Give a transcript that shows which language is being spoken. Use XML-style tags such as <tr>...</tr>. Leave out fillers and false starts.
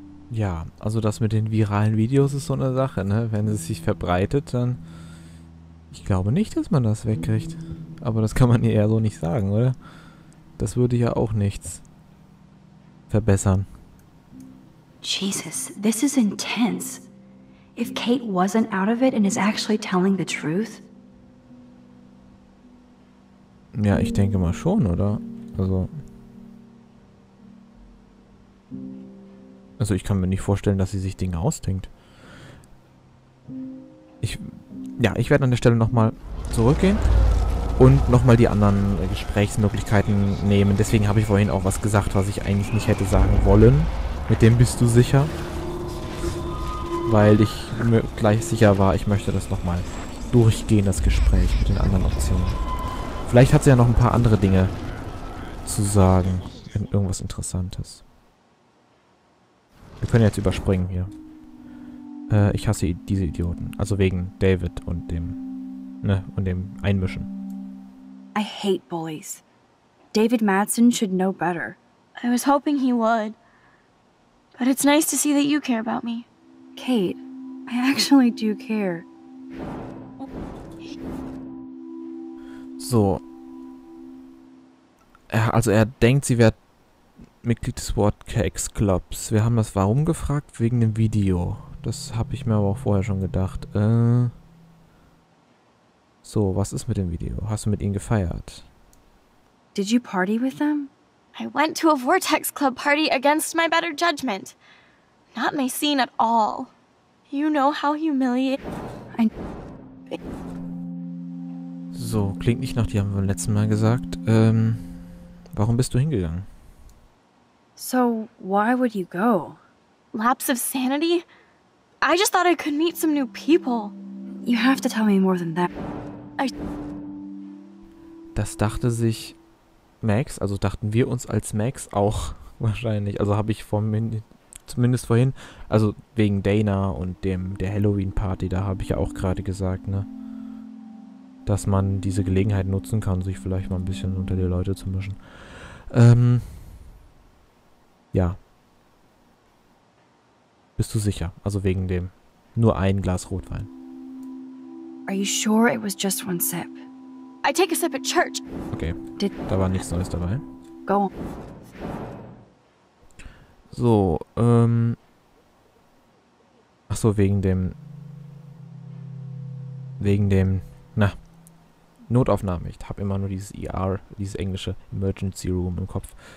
<de>Ja, also das mit den viralen Videos ist so eine Sache, ne? Wenn es sich verbreitet, dann... Ich glaube nicht, dass man das wegkriegt. Aber das kann man eher so nicht sagen, oder? Das würde ja auch nichts verbessern.</de> <en>Jesus, this is intense. If Kate wasn't out of it and is actually telling the truth?</en> <de>Ja, ich denke mal schon, oder? Also ich kann mir nicht vorstellen, dass sie sich Dinge ausdenkt. Ich werde an der Stelle nochmal zurückgehen und nochmal die anderen Gesprächsmöglichkeiten nehmen. Deswegen habe ich vorhin auch was gesagt, was ich eigentlich nicht hätte sagen wollen. Mit dem bist du sicher? Weil ich mir gleich sicher war, ich möchte das nochmal durchgehen, das Gespräch mit den anderen Optionen. Vielleicht hat sie ja noch ein paar andere Dinge zu sagen. Irgendwas Interessantes. Wir können jetzt überspringen hier. Ich hasse diese Idioten. Also wegen David und dem, ne, und dem Einmischen.</de> <en>I hate bullies. David Madsen should know better. I was hoping he would. But it's nice to see that you care about me. Kate, I actually do care.</en> <de>So. Er denkt, sie wird Mitglied des Wordcakes-Clubs. Wir haben das warum gefragt? Wegen dem Video. Das habe ich mir aber auch vorher schon gedacht. So, was ist mit dem Video? Hast du mit ihnen gefeiert?</de> <en>Did you party with them? I went to a Vortex Club party against my better judgment. Not my scene at all. You know how humiliating...</en> <de>So, klingt nicht nach, die haben wir beim letzten Mal gesagt. Warum bist du hingegangen?</de> <en>So, why would you go? Lapse of sanity? I just thought I could meet some new people. You have to tell me more than that.</en> <de>Das dachte sich Max, also dachten wir uns als Max auch wahrscheinlich. Also habe ich zumindest vorhin, also wegen Dana und der Halloween-Party, da habe ich ja auch gerade gesagt, ne, dass man diese Gelegenheit nutzen kann, sich vielleicht mal ein bisschen unter die Leute zu mischen. Ja. Bist du sicher? Also wegen dem. Nur ein Glas Rotwein.</de> <en>Are you sure it was just one sip? I take a sip at church. Okay.</en> <de>Da war nichts Neues dabei.</de> <en>Go.</en> <de>So, Ach so, wegen dem na, Notaufnahme. Ich habe immer nur dieses ER, dieses englische Emergency Room im Kopf.</de>